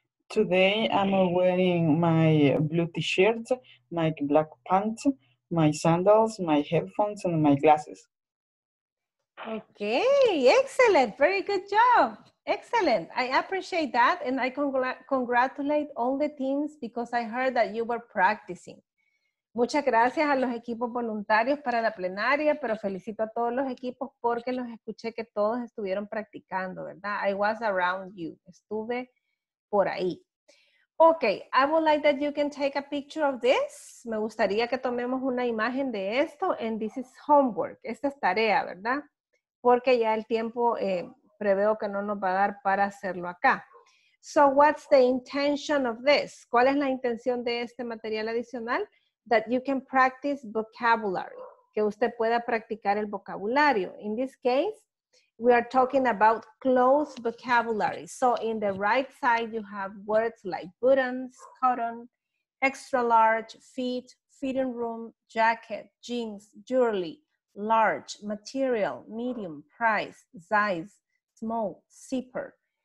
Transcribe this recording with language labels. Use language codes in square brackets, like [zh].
[en] Today I'm wearing my blue t-shirt, my black pants, my sandals, my headphones, and my glasses. Okay, excellent. Very good job. Excellent. I appreciate that. And I congratulate all the teams because I heard that you were practicing. [es] Muchas gracias a los equipos voluntarios para la plenaria, pero felicito a todos los equipos porque los escuché que todos estuvieron practicando, ¿verdad? [en] I was around you. [es] Estuve por ahí. [en] Okay, I would like that you can take a picture of this. [es] Me gustaría que tomemos una imagen de esto. [en] And this is homework. [es] Esta es tarea, ¿verdad? Porque ya el tiempo preveo que no nos va a dar para hacerlo acá. [en] So what's the intention of this? [es] ¿Cuál es la intención de este material adicional? [en] That you can practice vocabulary. [es] Que usted pueda practicar el vocabulario. [en] In this case, we are talking about closed vocabulary. So in the right side, you have words like buttons, cotton, extra large, feet, fitting room, jacket, jeans, jewelry, large, material, medium, price, size, small, zipper.